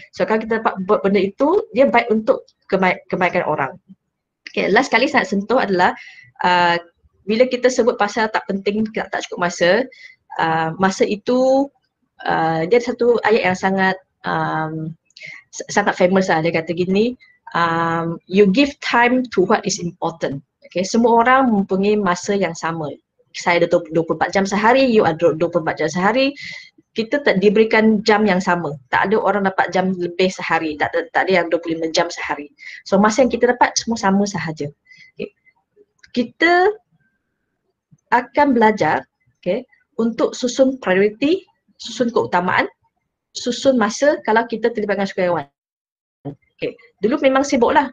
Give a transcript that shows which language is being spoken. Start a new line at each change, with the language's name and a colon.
Malay: So kalau kita dapat buat benda itu, dia baik untuk kebaikan orang. Okay, last kali saya nak sentuh adalah bila kita sebut pasal tak penting, tak cukup masa, masa itu dia ada satu ayat yang sangat sangat famous lah. Dia kata gini,
English: you give time to what is important.
Malay: Okay, semua orang mempunyai masa yang sama. Saya ada 24 jam sehari, you ada 24 jam sehari. Kita tak diberikan jam yang sama. Tak ada orang dapat jam lebih sehari. Tak ada yang 25 jam sehari. So masa yang kita dapat semua sama sahaja. Okay. Kita akan belajar, okay, untuk susun prioriti, susun keutamaan, susun masa kalau kita terlibat dengan sukarelawan. Okay. Dulu memang sibuk lah.